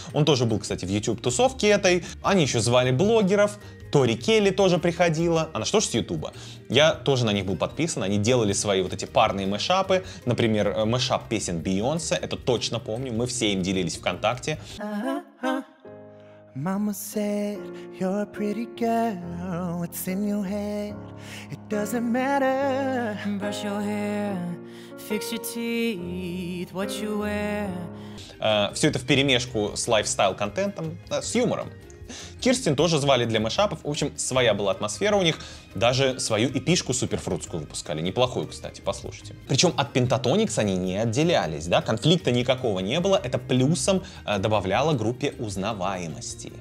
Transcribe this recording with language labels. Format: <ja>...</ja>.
<ru>Он тоже был, кстати, в Ютуб-тусовке этой. Они еще звали блогеров. Тори Келли тоже приходила. Она что ж с Ютуба? Я тоже на них был подписан. Они делали свои вот эти парные мэшапы. Например, мэшап песен Бейонсе. Это точно помню. Мы все им делились ВКонтакте.</ru> <en>Mama said, you're a pretty girl, what's in your head, it doesn't matter. Brush your hair, fix your teeth, what you wear.</en> <ru>Все это вперемешку с лайфстайл-контентом, да, с юмором. Кирстен тоже звали для мэшапов, в общем, своя была атмосфера у них. Даже свою эпишку суперфрутскую выпускали, неплохую, кстати, послушайте. Причем от Pentatonix они не отделялись, да, конфликта никакого не было. Это плюсом добавляло группе узнаваемости.</ru>